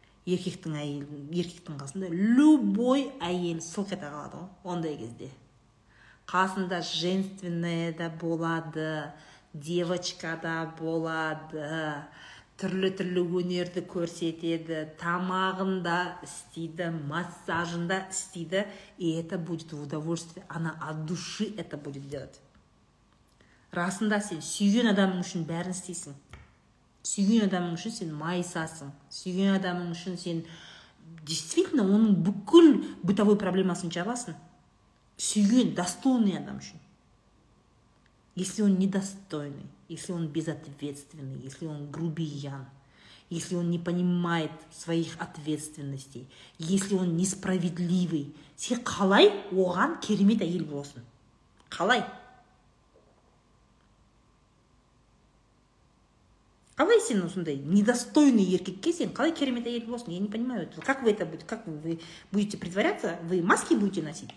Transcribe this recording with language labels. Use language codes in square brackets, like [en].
[kk] Еркектің әйелі, еркектің қасында любой әйел сылқ ете қалады ондай кезде. Қасында женственная да болады, девочка да болады, түрлі-түрлі өнерді көрсетеді, тамағында істейді, массажында істейді. [ru] И это будет в удовольствие, она от души это будет делать. [kk] Расында сен сүйген адамың үшін бәрін істейсің. Сүйген адамың үшін сен майысасың. Сүйген адамың үшін сен действительно оның бүкіл бытовой проблемасын жабасың. Сүйген достойный адам үшін. [ru] Если он недостойный, если он безответственный, если он грубиян, если он не понимает своих ответственностей, если он несправедливый, [kk] сен қалай оған керемет әйел боласың? Қалай? Қалай сен осындай недостойный еркекке сен қалай керемет әйел боласың? [ru] Я не понимаю, как вы это будете, как вы будете притворяться, вы маски будете носить?